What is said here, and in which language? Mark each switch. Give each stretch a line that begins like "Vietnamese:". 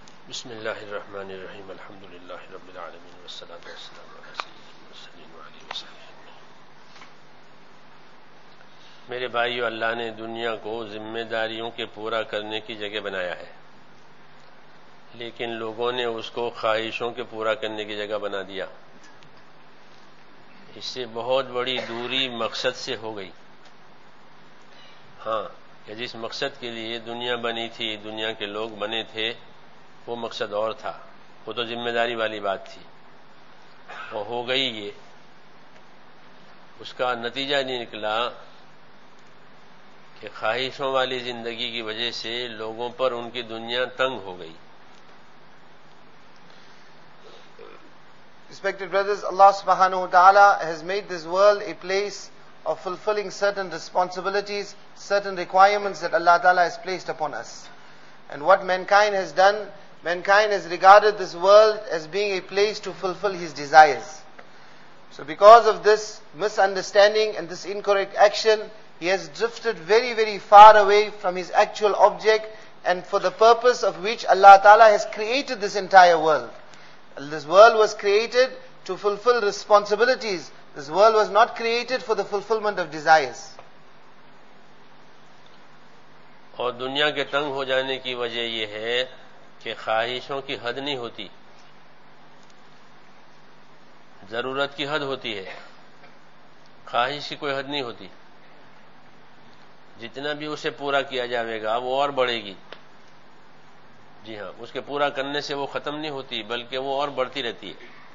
Arabic: بسم الله الرحمن الرحيم الحمد لله رب العالمين والصلاة والسلام على سيدنا محمد وعلى آله وصحبه أجمعين.
Urdu: میرے بھائیو، اللہ نے دنیا کو ذمہ داریوں کے پورا کرنے کی جگہ بنایا ہے، لیکن لوگوں نے اس کو خواہشوں کے پورا کرنے کی جگہ بنا دیا. اس سے بہت بڑی دوری مقصد سے ہو گئی. ہاں، جس مقصد کے لیے دنیا بنی تھی، دنیا کے لوگ بنے تھے، وہ مقصد اور تھا، وہ تو ذمہ داری والی بات تھی، وہ ہو گئی. یہ اس کا نتیجہ نہیں نکلا کہ خواہشوں والی زندگی کی وجہ سے لوگوں پر ان کی دنیا تنگ ہو گئی.
English: Respected brothers, Allah subhanahu wa ta'ala has made this world a place of fulfilling certain responsibilities, certain requirements that Allah ta'ala has placed upon us. And what mankind has done, mankind has regarded this world as being a place to fulfill his desires. So because of this misunderstanding and this incorrect action, he has drifted very, very far away from his actual object and for the purpose of which Allah ta'ala has created this entire world. This world was created to fulfill responsibilities. This world was not created for the fulfillment of desires.
Urdu: اور دنیا کے تنگ ہو جانے کی وجہ یہ ہے کہ خواہشوں کی حد نہیں ہوتی، ضرورت کی حد ہوتی ہے، خواہش کی کوئی حد نہیں ہوتی. جتنا بھی اسے پورا کیا جائے گا وہ اور بڑھے گی. جی ہاں، اس کے پورا کرنے سے وہ ختم نہیں ہوتی بلکہ وہ اور بڑھتی رہتی ہے.